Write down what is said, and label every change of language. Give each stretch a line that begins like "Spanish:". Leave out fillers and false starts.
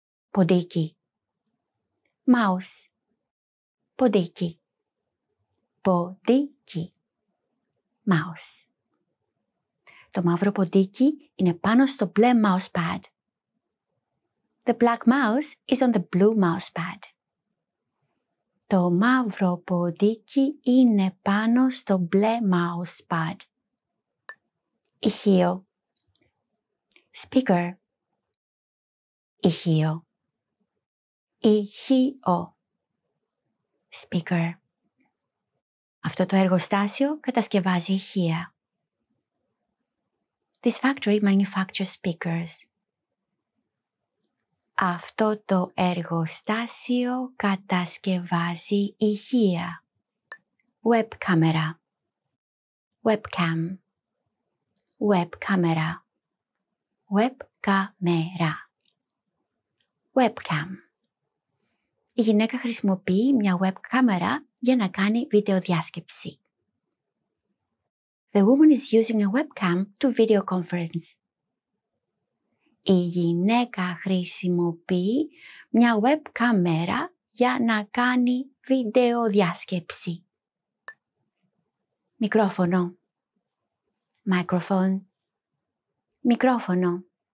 Greek: Ποντίκι.
English: Mouse.
Greek: Ποντίκι. Ποντίκι.
English: Mouse.
Greek: Το μαύρο ποντίκι είναι πάνω στο μπλε mouse pad.
English: The black mouse is on the blue mouse pad.
Greek: Το μαύρο ποντίκι είναι πάνω στο μπλε mouse pad. Ηχείο.
English: Speaker.
Greek: Ηχείο. Ηχείο.
English: Speaker.
Greek: Αυτό το εργοστάσιο κατασκευάζει ηχεία.
English: This factory manufactures speakers.
Greek: Αυτό το εργοστάσιο κατασκευάζει ηχεία.
English: Web camera. Webcam. Web camera. Web camera. Webcam.
Greek: Η γυναίκα χρησιμοποιεί μια web camera για να κάνει βιντεοδιάσκεψη.
English: The woman is using a webcam to video conference.
Greek: Η γυναίκα χρησιμοποιεί μια web camera για να κάνει βιντεοδιάσκεψη. Μικρόφωνο.
English: Microphone.
Greek: Μικρόφωνο.